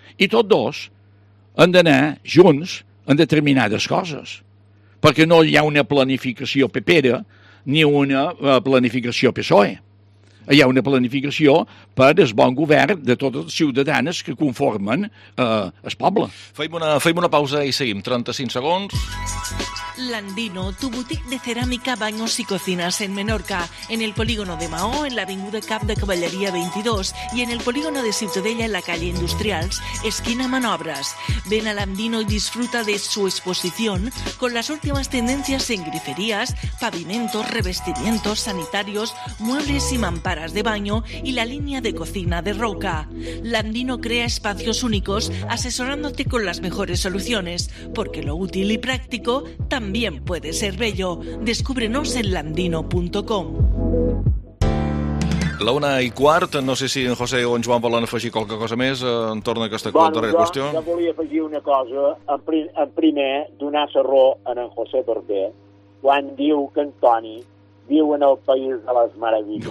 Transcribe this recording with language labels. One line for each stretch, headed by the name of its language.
Catalan: I tots dos han d'anar junts en determinades coses, perquè no hi ha una planificació pepera ni una planificació PSOE. hi ha una planificació per el bon govern de totes les ciutadanes que conformen el poble. Fem una pausa i seguim. 35 segons.
Spanish: Landino, tu boutique de cerámica, baños y cocinas en Menorca, en el polígono de Mahó, en la avinguda Cap de Cavalleria 22 y en el polígono de Ciutadella en la calle Industrials, esquina Manobras. Ven a Landino y disfruta de su exposición con las últimas tendencias en griferías, pavimentos, revestimientos, sanitarios, muebles y mamparas de baño y la línea de cocina de Roca. Landino crea espacios únicos asesorándote con las mejores soluciones, porque lo útil y práctico también puede ser bello. Descúbrenos en landino.com.
Catalan: La una i quart, no sé si en José o en Joan volen afegir qualque cosa més en torn a aquesta darrera qüestió. Jo volia afegir una cosa. En primer, donar la raó a en José Barber quan diu que en Toni viu en el País de les Meravilles.